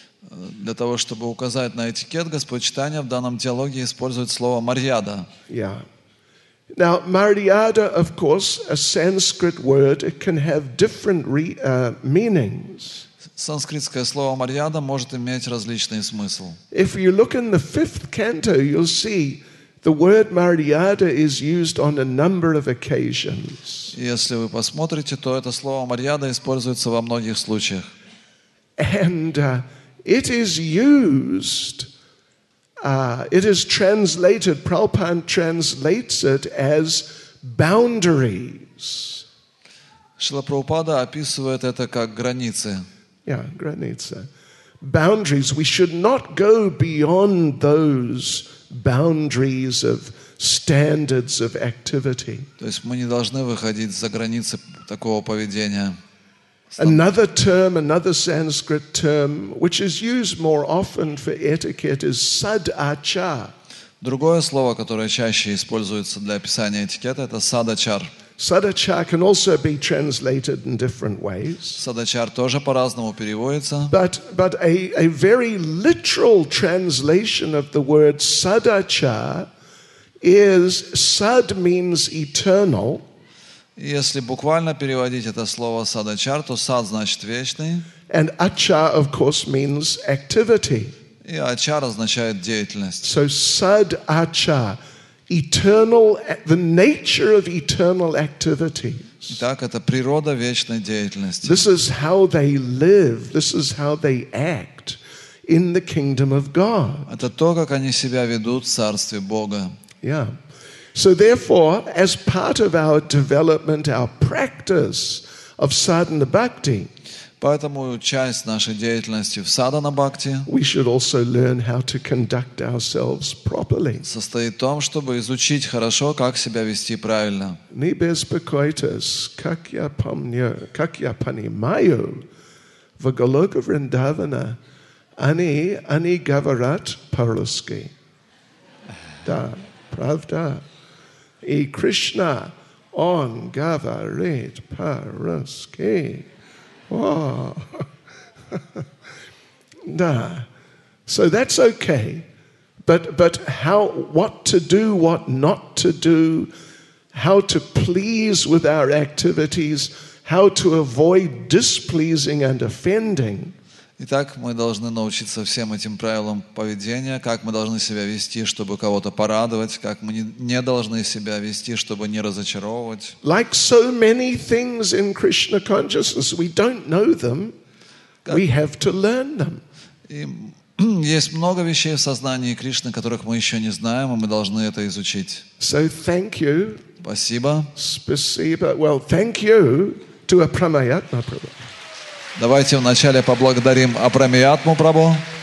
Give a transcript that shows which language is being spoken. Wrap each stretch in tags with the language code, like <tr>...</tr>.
<ru>Для того, чтобы указать на этикет, Господь Чайтанья в данном диалоге использует слово maryada.</ru> <en>Yeah. Now, maryada, of course, a Sanskrit word, it can have different meanings.</en> <ru>Санскритское слово maryada может иметь различный смысл.</ru> <en>If you look in the fifth canto, you'll see the word maryada is used on a number of occasions.</en> <ru>Если вы посмотрите, то это слово maryada используется во многих случаях.</ru> <en>And it is used, it is translated, Prabhupada translates it as boundaries.</en> <ru>Шрила Прабхупада описывает это как границы. Yeah, граница.</ru> <en>Boundaries. We should not go beyond those boundaries of standards of activity.</en> <ru>То есть мы не должны выходить за границы такого поведения.</ru> <en>Another term, another Sanskrit term, which is used more often for etiquette, is sadachar.</en> <ru>Другое слово, которое чаще используется для описания этикета, это садачар.</ru> <en>Sadachar can also be translated in different ways.</en> <ru>Садачар тоже по-разному переводится.</ru> <en>But a very literal translation of the word sadachar is sad means eternal.</en> <ru>Если буквально переводить это слово садачар, то сад значит вечный.</ru> <en>And achar, of course, means activity.</en> <ru>И ачар означает деятельность.</ru> <en>So sad achar. Eternal, the nature of eternal activities.</en> <ru>Так это природа вечной деятельности.</ru> <en>This is how they live. This is how they act in the kingdom of God.</en> <ru>Это то, как они себя ведут в царстве Бога.</ru> <en>Yeah. So therefore, as part of our development, our practice of sadhana bhakti.</en> <ru>Поэтому часть нашей деятельности в садхана бхакти.</ru> <en>We should also learn how to conduct ourselves properly.</en> <ru>Состоит в том, чтобы изучить хорошо, как себя вести правильно. Не беспокойтесь, как я помню, как я понимаю, в Голока Вриндавана они говорят по-русски. Да, правда. И Кришна, он говорит по-русски. Nah.</ru> <en>So that's okay. But how, what to do, what not to do, how to please with our activities, how to avoid displeasing and offending.</en> <ru>Итак, мы должны научиться всем этим правилам поведения, как мы должны себя вести, чтобы кого-то порадовать, как мы не должны себя вести, чтобы не разочаровывать.</ru> <en>Like so many things in Krishna consciousness, we don't know them, we have to learn them.</en> <ru>Есть много вещей в сознании Кришны, которых мы еще не знаем, и мы должны это изучить.</ru> <en>So thank you.</en> <ru>Спасибо. Спасибо.</ru> <en>Well, thank you to a Апрамаятма Прабху.</en> <ru>Давайте вначале поблагодарим Апрамиятму Прабху.</ru>